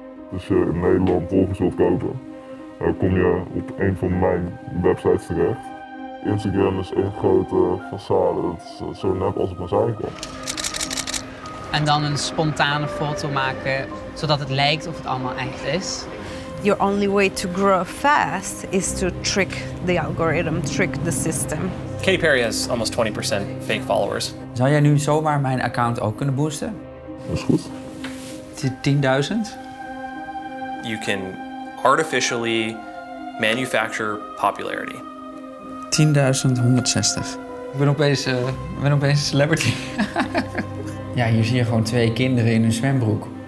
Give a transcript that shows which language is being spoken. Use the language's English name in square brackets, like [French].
[Dutch] dus in Nederland Wolvenzilf kopen, kom je op een van mijn websites terecht. Instagram is een grote façade, het is zo net als het maar zijn kan. En dan een spontane foto maken, zodat het lijkt of het allemaal echt is. [English] Your only way to grow fast is to trick the algorithm, trick the system. Katy Perry has almost 20% fake followers. [Dutch] Zou jij nu zomaar mijn account ook kunnen boosten? Dat is goed. 10.000? [English] You can artificially manufacture popularity. [Dutch] 10.160. Ik ben opeens een celebrity. Ja, hier zie je gewoon twee kinderen in een zwembroek.